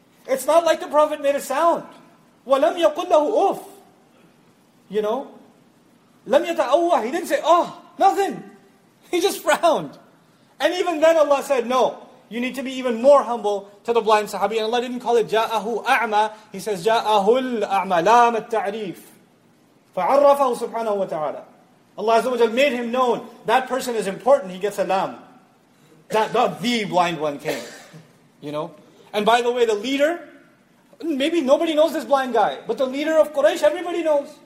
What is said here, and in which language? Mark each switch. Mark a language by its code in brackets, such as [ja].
[en] It's not like the Prophet made a sound. [ar] وَلَمْ يَقُلْ لَهُ أُفْ. [en] You know? [ar] لَمْ يَتَأَوَّهْ. [en] He didn't say, oh, nothing. He just frowned. And even then Allah said, no. You need to be even more humble to the blind Sahabi. And Allah didn't call it [ar] جَاءَهُ أَعْمَى. [en] He says, [ar] جَاءَهُ الْأَعْمَى لَامَ التَّعْرِيفِ. فَعَرَّفَهُ سُبْحَانَهُ وَتَعَالَى. [en] Allah Azza wa Jalla made him known. That person is important. He gets a lam. The blind one came. You know? And by the way, the leader, maybe nobody knows this blind guy, but the leader of Quraysh, everybody knows.